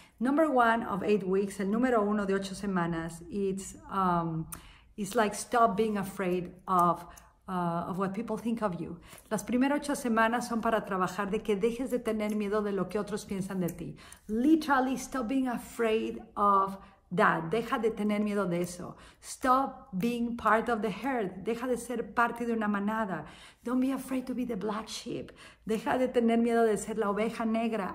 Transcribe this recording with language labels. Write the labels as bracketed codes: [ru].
[en] Number 1 of 8 weeks, [es] el número 1 de 8 semanas, [en] it's like stop being afraid of what people think of you. [es] Las primeras 8 semanas son para trabajar de que dejes de tener miedo de lo que otros piensan de ti. [en] Literally, stop being afraid of that. [es] Deja de tener miedo de eso. [en] Stop being part of the herd. [es] Deja de ser parte de una manada. [en] Don't be afraid to be the black sheep. [es] Deja de tener miedo de ser la oveja negra.